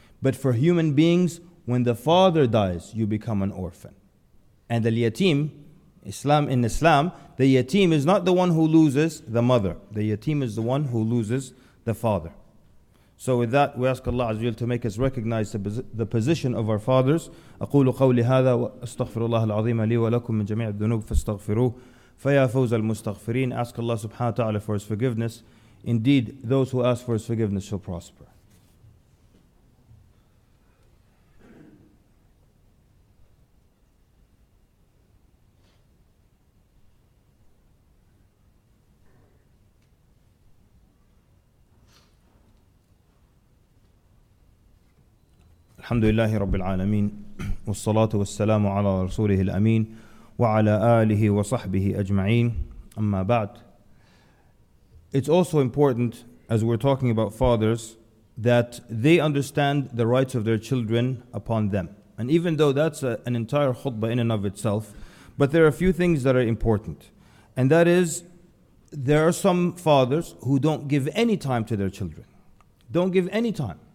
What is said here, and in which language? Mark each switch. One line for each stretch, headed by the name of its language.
English: But for human beings, when the father dies, you become an orphan. And the yatim, in Islam, the yatim is not the one who loses the mother. The yatim is the one who loses the father. So with that, we ask Allah Azza wa Jalla to make us recognize the position of our fathers.
Arabic: أقول قولي هذا واستغفر الله العظيم لي ولكم من جميع الذنوب فاستغفروه فيا فوز المستغفرين.
English: Ask Allah Subhanahu wa Taala for His forgiveness. Indeed, those who ask for His forgiveness shall prosper.
Arabic: الحمد لله رب العالمين والصلاة والسلام على رسوله الأمين وعلى آله وصحبه أجمعين أما بعد.
English: It's also important, as we're talking about fathers, that they understand the rights of their children upon them. And even though that's an entire khutbah in and of itself, but there are a few things that are important. And that is, there are some fathers who don't give any time to their children. Don't give any time.